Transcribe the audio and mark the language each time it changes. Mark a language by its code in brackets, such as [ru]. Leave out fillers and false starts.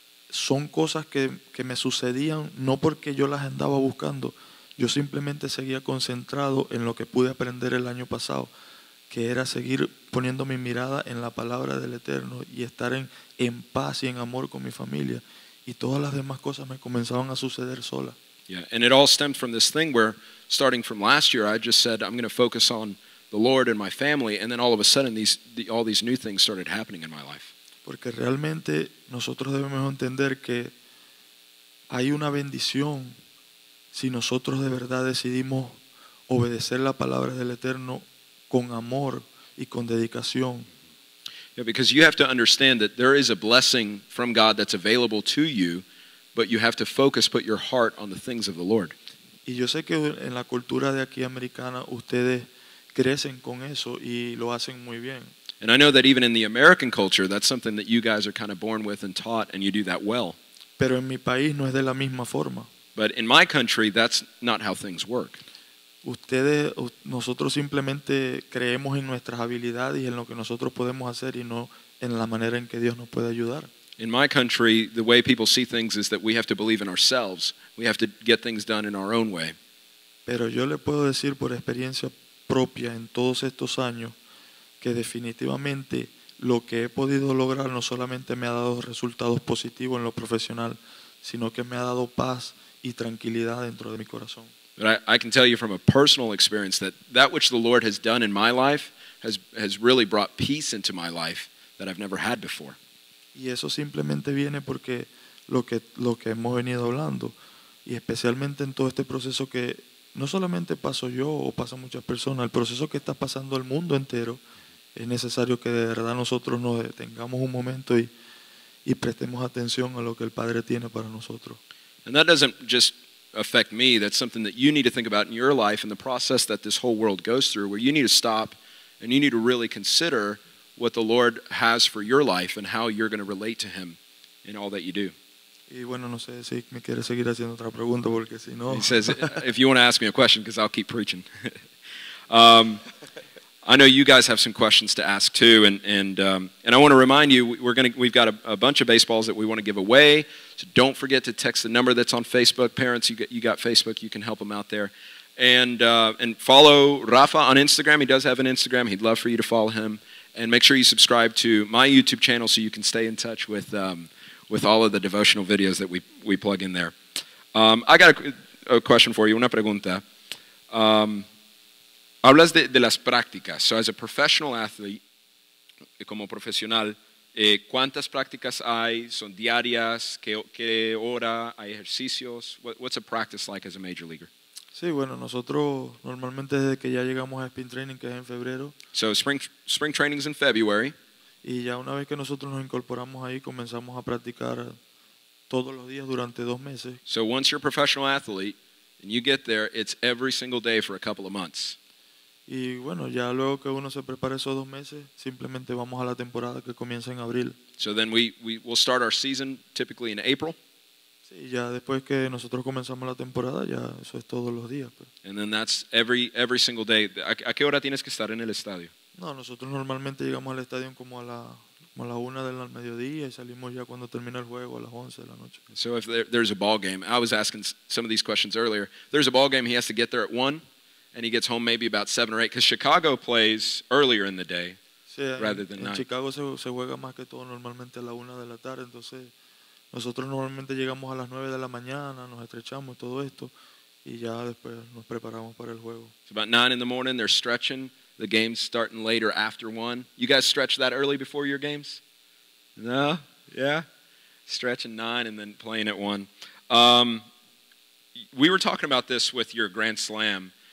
[es] Son cosas que me sucedían no porque yo las andaba buscando. Yo simplemente seguía concentrado en lo que pude aprender el año pasado, que era seguir poniendo mi mirada en la palabra del Eterno y estar en paz y en amor con mi familia. Y todas las demás cosas me comenzaban a suceder solas. [en] Yeah, and it all stemmed from this thing where, starting from last year, I just said, I'm going to focus on the Lord and my family, and then all of a sudden, all these new things started happening in my life. [es] Porque realmente nosotros debemos entender que hay una bendición si nosotros de verdad decidimos obedecer la palabra del Eterno con amor y con dedicación. [en] Yeah, because you have to understand that there is a blessing from God that's available to you, but you have to focus, put your heart on the things of the Lord. [es] Y yo sé que en la cultura de aquí americana ustedes crecen con eso y lo hacen muy bien. [en] And I know that even in the American culture, that's something that you guys are kind of born with and taught, and you do that well. [es] Pero en mi país no es de la misma forma. [en] But in my country, that's not how things work. [es] Ustedes, nosotros simplemente creemos en nuestras habilidades y en lo que nosotros podemos hacer y no en la manera en que Dios nos puede ayudar. [en] In my country, the way people see things is that we have to believe in ourselves. We have to get things done in our own way. [es] Pero yo le puedo decir por experiencia propia en todos estos años que definitivamente lo que he podido lograr no solamente me ha dado resultados positivos en lo profesional, sino que me ha dado paz y tranquilidad dentro de mi corazón. [en] But I can tell you from a personal experience that that which the Lord has done in my life has really brought peace into my life that I've never had before. [es] Y eso simplemente viene porque lo que hemos venido hablando, y especialmente en todo este proceso que no solamente paso yo o pasa muchas personas, el proceso que está pasando el mundo entero, es necesario que de verdad nosotros nos detengamos un momento y prestemos atención a lo que el Padre tiene para nosotros. [en] And that doesn't just affect me, that's something that you need to think about in your life and the process that this whole world goes through, where you need to stop and you need to really consider what the Lord has for your life and how you're going to relate to Him in all that you do. [es] Y bueno, no sé si me quiere seguir haciendo otra pregunta porque si no... [en] He says, if you want to ask me a question, because I'll keep preaching. I know you guys have some questions to ask too, and I want to remind you, we've got a bunch of baseballs that we want to give away, so don't forget to text the number that's on Facebook. Parents, you got Facebook, you can help them out there. And follow Rafa on Instagram. He does have an Instagram. He'd love for you to follow him. And make sure you subscribe to my YouTube channel so you can stay in touch with all of the devotional videos that we plug in there. I got a question for you, [es] una pregunta. Hablas de las prácticas. [en] So as a professional athlete, [es] como profesional, ¿cuántas prácticas hay? ¿Son diarias? ¿Qué hora? ¿Hay ejercicios? [en] What's a practice like as a major leaguer? [es] Sí, bueno, nosotros normalmente desde que ya llegamos a spring training, que es en febrero. [en] So spring training is in February. [es] Y ya una vez que nosotros nos incorporamos ahí, comenzamos a practicar todos los días durante 2 meses. [en] So once you're a professional athlete and you get there, it's every single day for a couple of months. [es] Y bueno, ya luego que uno se prepare esos 2 meses, simplemente vamos a la temporada que comienza en abril. [en] So then we will start our season typically in April. [es] Sí, ya después que nosotros comenzamos la temporada, ya eso es todos los días. Pero. [en] And then that's every single day. [es] ¿A qué hora tienes que estar en el estadio? No, nosotros normalmente llegamos al estadio como a la una del mediodía y salimos ya cuando termina el juego a las 11 de la noche. [en] So if there's a ball game, I was asking some of these questions earlier. There's a ball game, he has to get there at 1. And he gets home maybe about 7 or 8, because Chicago plays earlier in the day rather than 9. [es] En Chicago se juega más que todo normalmente a la 1 de la tarde. Entonces, nosotros normalmente llegamos a las 9 de la mañana, nos estrechamos, todo esto, y ya después nos preparamos para el juego. [en] It's about 9 in the morning, they're stretching. The game's starting later after 1. You guys stretch that early before your games? No? Yeah? Stretching 9 and then playing at 1. We were talking about this with your Grand Slam.